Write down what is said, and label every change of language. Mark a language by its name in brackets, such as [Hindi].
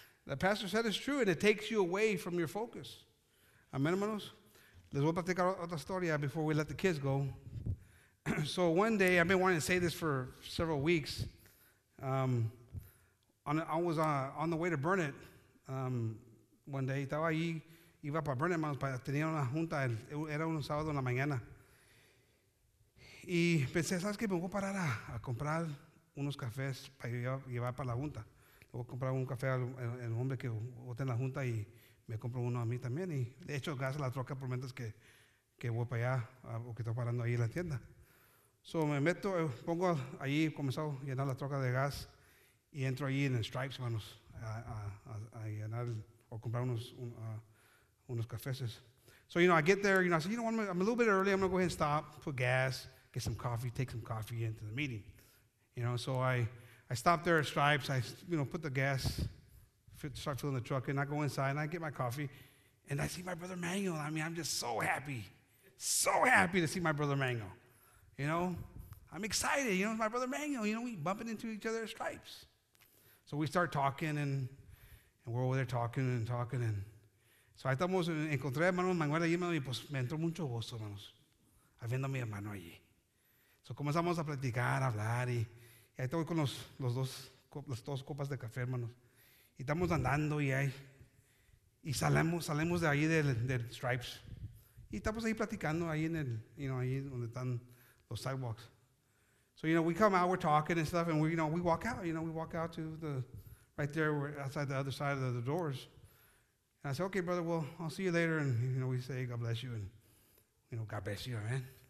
[English] The pastor said it's true, and it takes you away from your focus. Amen, hermanos. [Spanish] Les voy a platicar otra historia [English] before we let the kids go. So one day, I've been wanting to say this for several weeks. I was on the way to burn it one day. [Spanish] Estaba allí, iba para [English] burn it, [Spanish] hermanos, para tener una junta. Era un sábado en la mañana. Y pensé, ¿sabes qué? Me voy a parar a comprar unos cafés para llevar para la junta. Voy a comprar un café al el hombre que vota en la junta y me compro uno a mí también. Y de hecho, gas la troca por mientras que voy para allá o que estoy parando ahí en la tienda. So me meto, pongo ahí, comenzó a llenar la troca de gas y entro ahí en el Stripes, hermanos, a llenar o comprar unos cafés. [English] So, you know, I get there, you know, I say, you know, I'm a little bit early, I'm going to go ahead and stop, put gas, get some coffee, take some coffee into the meeting. You know, so I stop there at Stripes. I, you know, put the gas, start filling the truck, and I go inside, and I get my coffee, and I see my brother Manuel. I mean, I'm just so happy to see my brother Manuel. You know, I'm excited. You know, my brother Manuel, you know, we bumping into each other at Stripes. So we start talking, and we're over there talking. And so I thought, [Spanish] encontré a mano Manuel allí, y pues me entró mucho gusto, hermanos, habiendo mi hermano allí. So comenzamos a platicar, a hablar, y ahí estoy con las dos copas de café, hermanos. Y estamos andando, y salemos de ahí del Stripes. Y estamos ahí platicando, ahí en el, [English] you know, [Spanish] ahí donde están los sidewalks. [English] So, you know, we come out, we're talking and stuff, and we walk out to the, right there, we're outside the other side of the doors. And I say, okay, brother, well, I'll see you later. And, you know, we say, God bless you, and, you know, God bless you, amen.